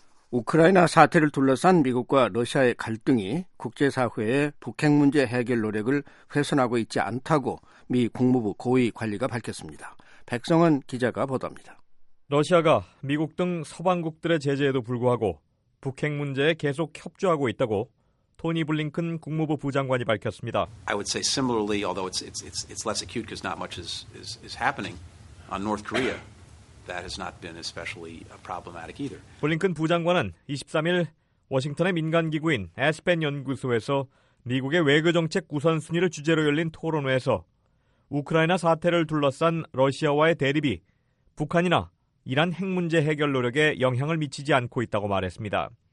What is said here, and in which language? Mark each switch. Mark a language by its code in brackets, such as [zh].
[ko] 우크라이나 사태를 둘러싼 미국과 러시아의 갈등이 국제사회의 북핵 문제 해결 노력을 훼손하고 있지 않다고 미 국무부 고위 관리가 밝혔습니다. 백성은 기자가 보도합니다. 러시아가 미국 등 서방국들의 제재에도 불구하고 북핵 문제에 계속 협조하고 있다고 토니 블링컨 국무부 부장관이 밝혔습니다. [en] I would say similarly, although it's less acute because not much is happening on North Korea. That has not been especially problematic either. [ko] 블링컨 부장관은 23일 워싱턴의 민간 기구인 에스펜 연구소에서 미국의 외교 정책 우선 순위를 주제로 열린 토론회에서 우크라이나 사태를 둘러싼 러시아와의 대립이 북한이나 이란 핵 문제 해결 노력에 영향을 미치지 않고 있다고 말했습니다.